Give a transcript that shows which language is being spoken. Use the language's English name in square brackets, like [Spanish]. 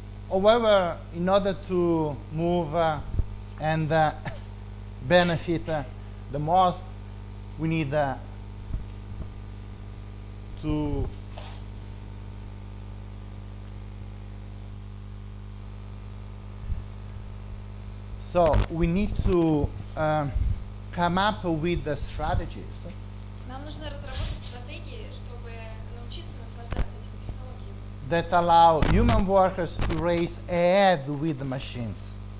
[English] However, in order to move and benefit the most, we need to come up with the strategies. [Russian] Нам нужно разработать стратегии, чтобы научиться наслаждаться этими технологиями. [English] That allow human workers to race ahead with the machines.